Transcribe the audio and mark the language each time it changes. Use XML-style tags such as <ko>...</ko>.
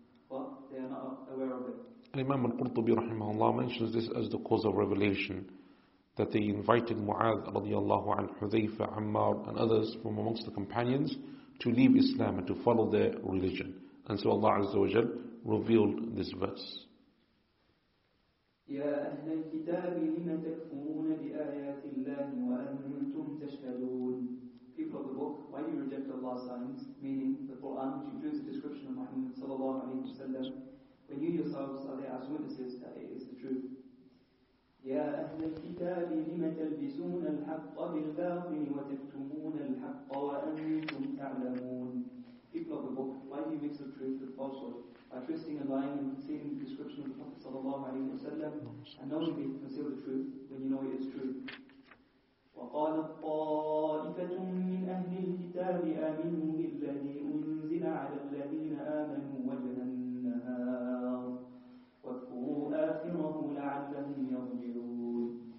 <en>But they are not aware of it. Imam al-Qurtubi rahimahullah mentions this as the cause of revelation, that they invited Mu'adh radiallahu an, Hudhayfa, Ammar and others from amongst the companions to leave Islam and to follow their religion. And so Allah azza wa jal revealed this verse.</en> <ar>يا أهل الكتاب لم تكفرون بآيات الله وأنتم تشهدون.</ar> <en>People of the book, why do you reject Allah's signs, meaning the Quran, which includes the description of Muhammad sallallahu alaihi wasallam, when you yourselves are there as witnesses that it is the truth?</en> <ar>يا أهل الكتاب لم تلبسون الحق بالباطل وتكتمون الحق وأنتم تعلمون.</ar> <en>People of the book, why do you mix the truth with falsehood by twisting and lying and concealing the description of the Prophet sallallahu alaihi wasallam, and knowingly conceal the truth when you know it is true?</en> <ar>وَقَالَ الطَّائِفَةٌ مِنْ أَهْلِ الْكِتَابِ آمِنُوا بِالَّذِي أُنْزِلَ عَلَى الَّذِينَ آمَنُوا وَجْهَ النَّهَارِ وَكْفُرُوا آخِرَهُ لَعَلَّهُمْ يَرْجِعُونَ.</ar>